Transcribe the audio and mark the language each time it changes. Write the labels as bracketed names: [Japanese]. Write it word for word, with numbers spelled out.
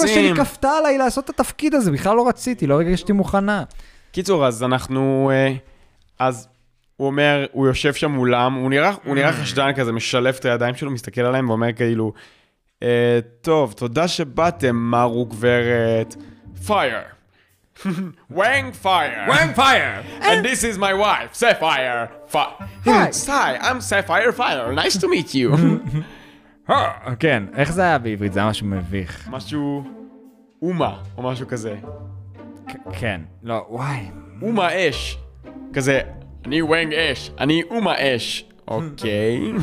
[Hebrew] אמא שלי כפתה עליי לעשות את התפקיד הזה, בכלל לא רציתי, לא רגשתי מוכנה. קיצור, אז אנחנו, אז... הוא אומר, הוא יושב שם מולם, הוא נראה, הוא נראה חשדן כזה, משלף את הידיים שלו, מסתכל עליהם ואומר כאילו, טוב, תודה שבאתם, מרו גברת. [English] Fire. Wang fire. Wang fire. And this is my wife, Sapphire. Hi, I'm Sapphire Fire. Nice to meet you. [Hebrew] כן, איך זה היה בעברית? זה היה משהו מביך. משהו אומה, או משהו כזה. כן, לא, וואי. אומה אש. כזה... אני וואנג אש, אני אומה אש. אוקיי.